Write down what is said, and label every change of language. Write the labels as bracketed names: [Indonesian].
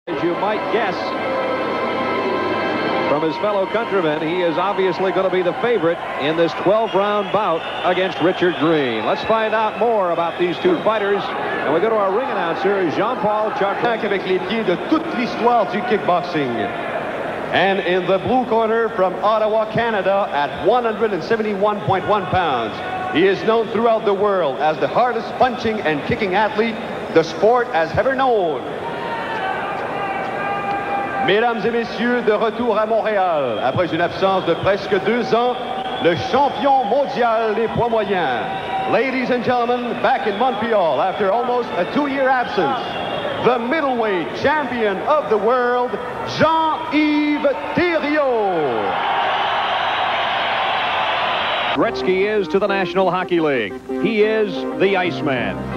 [English] As you might guess from his fellow countrymen, he is obviously going to be the favorite in this 12-round bout against Richard Green. Let's find out more about these two fighters. And we go to our ring announcer, Jean-Paul Chartrand, [French] avec les pieds de toute l'histoire du kickboxing. [English] And in the blue corner from Ottawa, Canada, at 171.1 pounds, he is known throughout the world as the hardest punching and kicking athlete the sport has ever known. [French] Mesdames et messieurs, de retour à Montréal, après une absence de presque deux ans, le champion mondial des poids moyens. [English] Ladies and gentlemen, back in Montreal, after almost a two-year absence, the middleweight champion of the world, Jean-Yves Theriault. Gretzky is to the National Hockey League. He is the Iceman.